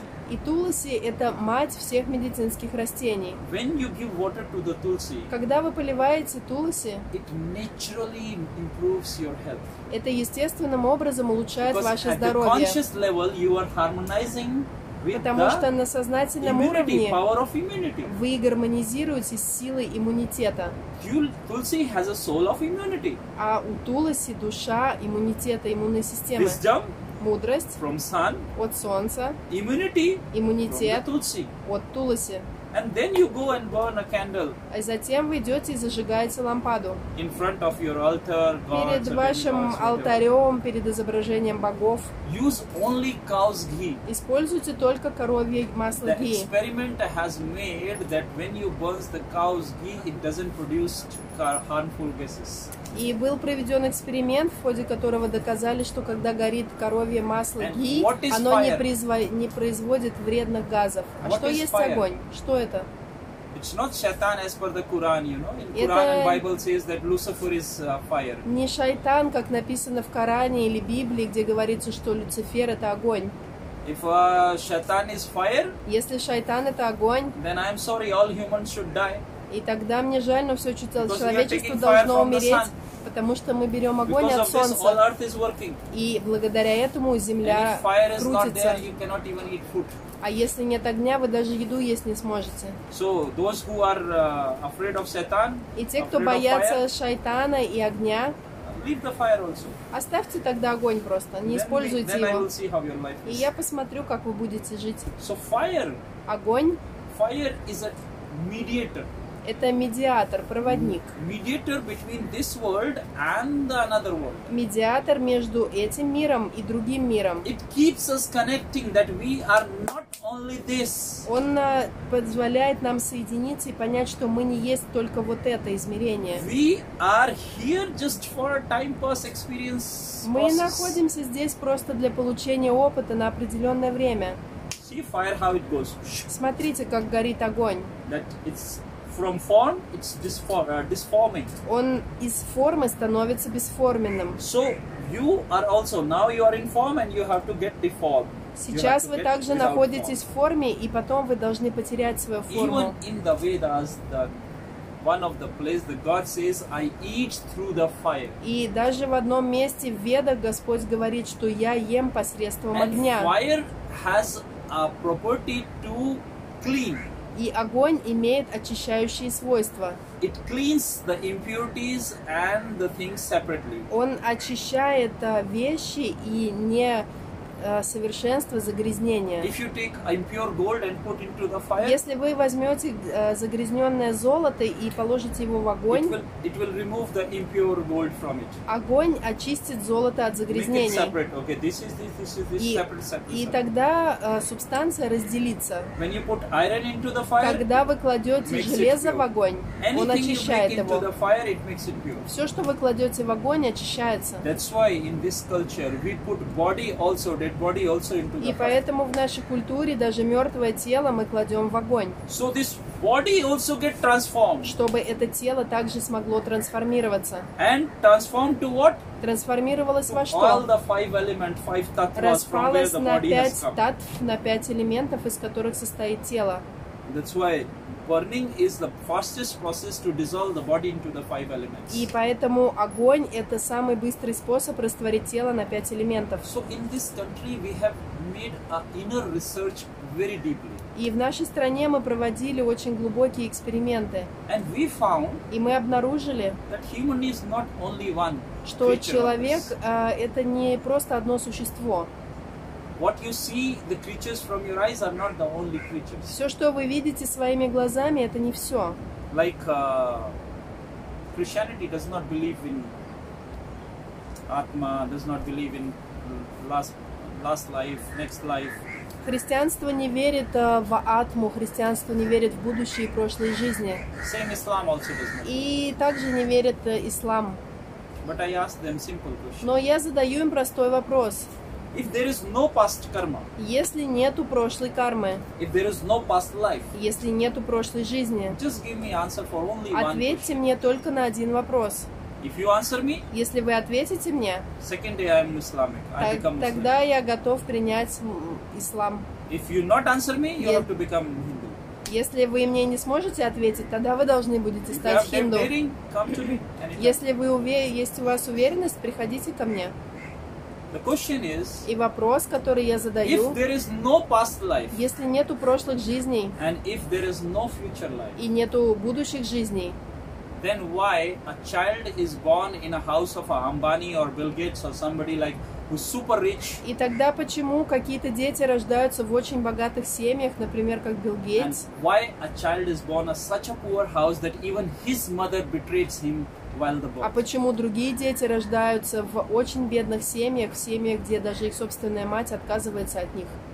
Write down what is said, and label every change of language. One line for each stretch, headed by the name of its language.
Russian: И тулси — это мать всех медицинских растений.
English: When you give water to the tulsi,
Russian: когда вы поливаете тулси,
English: it naturally improves your health.
Russian: Это естественным образом улучшает
English: Because
Russian: ваше здоровье.
English: At the conscious level you are harmonizing with
Russian: Потому
English: the
Russian: что на сознательном
English: immunity,
Russian: уровне
English: power of immunity.
Russian: Вы гармонизируете с силой иммунитета.
English: Tulsi has a soul of immunity.
Russian: А у тулси душа иммунитета, иммунной системы.
English: Wisdom.
Russian: Мудрость
English: from sun,
Russian: от солнца,
English: immunity,
Russian: иммунитет
English: from the
Russian: от тулси.
English: And then you go and burn a candle.
Russian: А затем вы идете и зажигаете лампаду
English: in front of your altar, gods,
Russian: перед вашим алтарем, перед изображением богов.
English: Use only cow's ghee.
Russian: Используйте только коровье масло ghee.
English: The experiment has made that when you burn the cow's ghee, it doesn't produce harmful gases.
Russian: И был проведен эксперимент, в ходе которого доказали, что когда горит коровье масло ги, оно не производит вредных газов. А
English: what
Russian: что есть
English: fire?
Russian: Огонь? Что это?
English: It's not shaitan as per the Quran, you know. In Quran and Bible says that Lucifer is fire.
Russian: Не шайтан, как написано в Коране или Библии, где говорится, что Люцифер — это огонь.
English: If shaitan is fire,
Russian: если шайтан — это огонь,
English: then I'm sorry, all humans should die.
Russian: И тогда мне жаль, но все человечество должно умереть, потому что мы берем огонь от солнца. И благодаря этому земля крутится. А если нет огня, вы даже еду есть не сможете.
English: So, those who are afraid of Satan,
Russian: и те, кто боятся шайтана и огня,
English: leave the fire also.
Russian: Оставьте тогда огонь просто, не
English: then
Russian: используйте
English: then I will see how your life is.
Russian: И я посмотрю, как вы будете жить.
English: So, fire,
Russian: огонь.
English: Fire is a mediator.
Russian: Это медиатор, проводник.
English: Mediator between this world and the another world.
Russian: Медиатор между этим миром и другим миром.
English: It keeps us connecting that we are not only this.
Russian: Он позволяет нам соединиться и понять, что мы не есть только вот это измерение.
English: We are here just for a time pass experience.
Russian: Мы находимся здесь просто для получения опыта на определенное время.
English: See fire how it goes.
Russian: Смотрите, как горит огонь.
English: That it's from form it's disforming.
Russian: Он из формы становится бесформенным.
English: So you are also now you are in form and you have to get deformed.
Russian: Сейчас вы также находитесь в форме, и потом вы должны потерять свою форму.
English: Even in the Vedas the one of the places that God says, I eat through the fire.
Russian: И даже в одном месте в Ведах Господь говорит, что я ем посредством огня.
English: And fire has a property to clean.
Russian: И огонь имеет очищающие свойства.
English: It cleans the impurities and the things separately.
Russian: Он очищает вещи и не совершенство, загрязнение.
English: If you take impure gold and put into the fire,
Russian: если вы возьмете загрязненное золото и положите его в огонь,
English: it will remove the impure gold from it.
Russian: Огонь очистит золото от загрязнения.
English: Make it separate. Okay, this is separate.
Russian: И тогда субстанция разделится.
English: When you put iron into the fire,
Russian: когда вы кладете железо в огонь,
English: anything
Russian: он очищает
English: you make
Russian: его.
English: Into the fire, it makes it pure.
Russian: Все, что вы кладете в огонь, очищается.
English: That's why in this culture we put body also. Dead body also into the
Russian: и поэтому в нашей культуре даже мертвое тело мы кладем в огонь.
English: So this body also get transformed.
Russian: Чтобы это тело также смогло трансформироваться.
English: And transformed to what?
Russian: Трансформировалось
English: to
Russian: во что?
English: All the five element, five tattvas.
Russian: Распалось
English: from where the
Russian: на пять татв, на пять элементов, из которых состоит тело.
English: That's why burning is the fastest process to dissolve the body into the five elements.
Russian: И поэтому огонь это самый быстрый способ растворить тело на пять элементов.
English: So in this country we have made an inner research very deeply.
Russian: И в нашей стране мы проводили очень глубокие эксперименты.
English: And we found.
Russian: И мы обнаружили,
English: that human is not only one.
Russian: Что человек это не просто одно существо.
English: What you see, the creatures from your eyes are not the only creatures.
Russian: Все, что вы видите своими глазами, это не все.
English: Like Christianity does not believe in Atma, does not believe in last life, next life.
Russian: Христианство не верит в Атму, христианство не верит в будущее и прошлые жизни.
English: Same Islam also does not.
Russian: И также не верит Ислам.
English: But I ask them simple question.
Russian: Но я задаю им простой вопрос.
English: If there is no past karma,
Russian: если нету прошлой кармы,
English: if there is no past life,
Russian: если нету прошлой жизни,
English: just give me answer for only
Russian: ответьте
English: one
Russian: мне только на один вопрос.
English: If you answer me,
Russian: если вы ответите мне,
English: second day I am Islamic, I become Muslim.
Russian: Тогда я готов принять ислам.
English: If you not answer me, you have to become Hindu.
Russian: Если вы мне не сможете ответить, тогда вы должны будете стать хинду. Если вы есть у вас уверенность, приходите ко мне.
English: The question is,
Russian: и вопрос, который я задаю,
English: if there is no past life,
Russian: если нету прошлых жизней,
English: and if there is no future life,
Russian: и нету будущих жизней,
English: then why a child is born in a house of a Ambani or Bill Gates or somebody like who's super rich?
Russian: И тогда почему какие-то дети рождаются в очень богатых семьях, например, как Билл Гейтс?
English: And why a child is born in such a poor house that even his mother betrays him?
Russian: А почему другие дети рождаются в очень бедных семьях, в семьях, где даже их собственная мать отказывается от них?